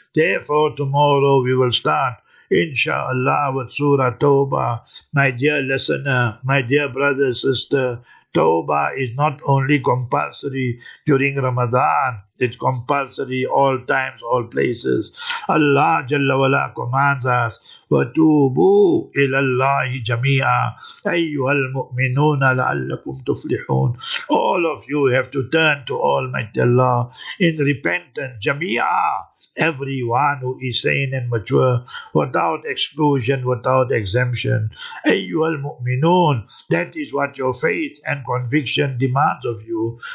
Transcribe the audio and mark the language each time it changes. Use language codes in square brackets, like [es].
[en] Therefore, tomorrow we will start, inshallah, with Surah Tawbah. My dear listener, my dear brother, sister, Tawbah is not only compulsory during Ramadan, it's compulsory all times, all places. Allah Jalla Wala commands us, [ar] وَتُوبُوا إِلَى اللَّهِ جَمِيعًا أَيُّهَا الْمُؤْمِنُونَ لَعَلَّكُمْ تُفْلِحُونَ. [en] All of you have to turn to Almighty Allah in repentance, جَمِيعًا. Everyone who is sane and mature, without exclusion, without exemption. Ayyuhal mu'minun, that is what your faith and conviction demands of you.